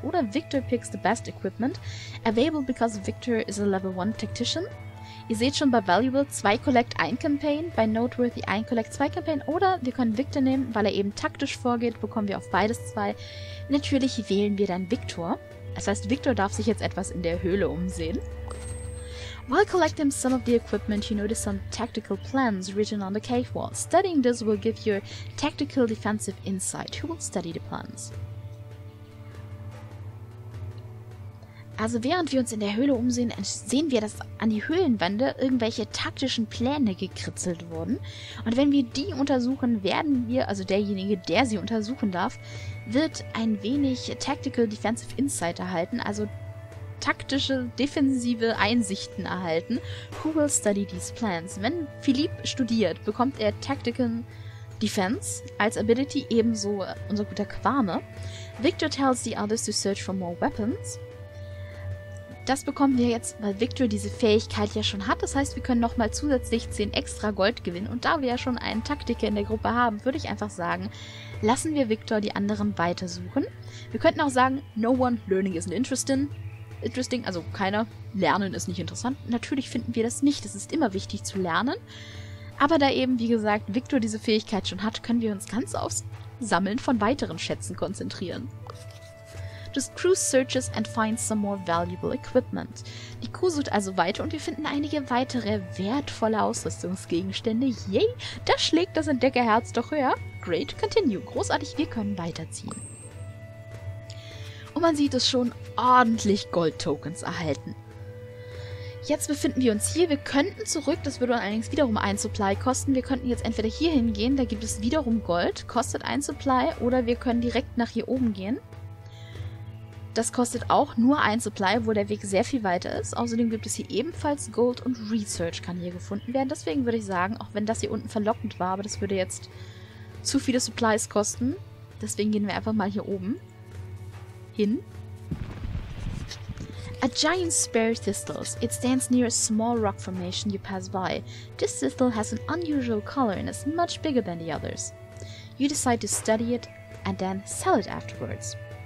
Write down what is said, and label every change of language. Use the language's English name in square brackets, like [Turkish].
[English] Oder Victor picks the best equipment. Available because Victor is a Level 1 Tactician. [German] Ihr seht schon, bei Valuable 2 Collect 1 Campaign, bei Noteworthy 1 Collect 2 Campaign. Oder wir können Victor nehmen, weil er eben taktisch vorgeht, bekommen wir auf beides 2. Natürlich wählen wir dann Victor. Das heißt, Victor darf sich jetzt etwas in der Höhle umsehen. [English] While collecting some of the equipment, you notice some tactical plans written on the cave wall. Studying this will give you tactical defensive insight. Who will study the plans? [German] Also während wir uns in der Höhle umsehen, sehen wir, dass an die Höhlenwände irgendwelche taktischen Pläne gekritzelt wurden. Und wenn wir die untersuchen, werden wir, also derjenige, der sie untersuchen darf, wird ein wenig Tactical Defensive Insight erhalten, also taktische, defensive Einsichten erhalten. [English] Who will study these plans? [German] Wenn Philipp studiert, bekommt er Tactical Defense als Ability, ebenso unser guter Kwame. [English] Victor tells the others to search for more weapons. [German] Das bekommen wir jetzt, weil Victor diese Fähigkeit ja schon hat. Das heißt, wir können nochmal zusätzlich 10 extra Gold gewinnen. Und da wir ja schon einen Taktiker in der Gruppe haben, würde ich einfach sagen, lassen wir Victor die anderen weitersuchen. Wir könnten auch sagen, [English] no one learning isn't interesting. [German] Also keiner, lernen ist nicht interessant. Natürlich finden wir das nicht. Es ist immer wichtig zu lernen. Aber da eben, wie gesagt, Victor diese Fähigkeit schon hat, können wir uns ganz aufs Sammeln von weiteren Schätzen konzentrieren. [English] Das Crew searches and finds some more valuable equipment. [German] Die Crew sucht also weiter und wir finden einige weitere wertvolle Ausrüstungsgegenstände. Yay! Da schlägt das Entdeckerherz doch höher. [English] Great, continue. [German] Großartig, wir können weiterziehen. Und man sieht es schon, ordentlich Gold-Tokens erhalten. Jetzt befinden wir uns hier. Wir könnten zurück, das würde allerdings wiederum ein Supply kosten. Wir könnten jetzt entweder hier hingehen, da gibt es wiederum Gold, kostet ein Supply, oder wir können direkt nach hier oben gehen. Das kostet auch nur ein Supply, wo der Weg sehr viel weiter ist. Außerdem gibt es hier ebenfalls Gold und Research kann hier gefunden werden. Deswegen würde ich sagen, auch wenn das hier unten verlockend war, aber das würde jetzt zu viele Supplies kosten. Deswegen gehen wir einfach mal hier oben hin. [English] A giant spare thistle. It stands near a small rock formation you pass by. This thistle has an unusual color and is much bigger than the others. You decide to study it and then sell it afterwards.